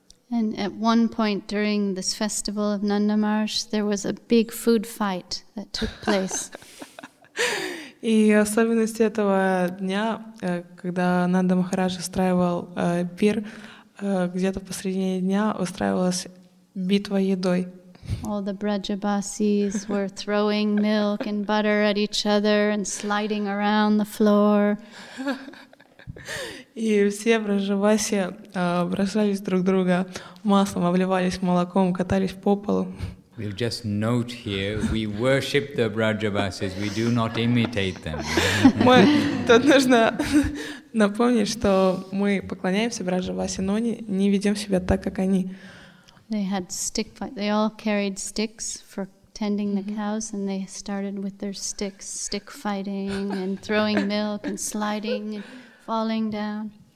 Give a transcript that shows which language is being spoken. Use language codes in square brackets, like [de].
[en] And at one point during this festival of Nanda Maharaj, there was a big food fight that took place. [ru] И особенность этого дня, когда Нанда Махарадж устраивал пир, где-то посредине дня устраивалась битва едой. [en] All the Brajabasis were throwing milk and butter at each other and sliding around the floor. [ru] И все Брajabasi бросались друг друга маслом, обливались молоком, катались по полу. [en] We'll just note here, we worship the Brajabasis, we do not imitate them. [ru] Тут нужно напомнить, что мы поклоняемся Брajabasi, но не ведем себя так, как они. [en] They had stick fight. They all carried sticks for tending the cows, and they started with their sticks, stick fighting, and throwing milk, and sliding, and falling down.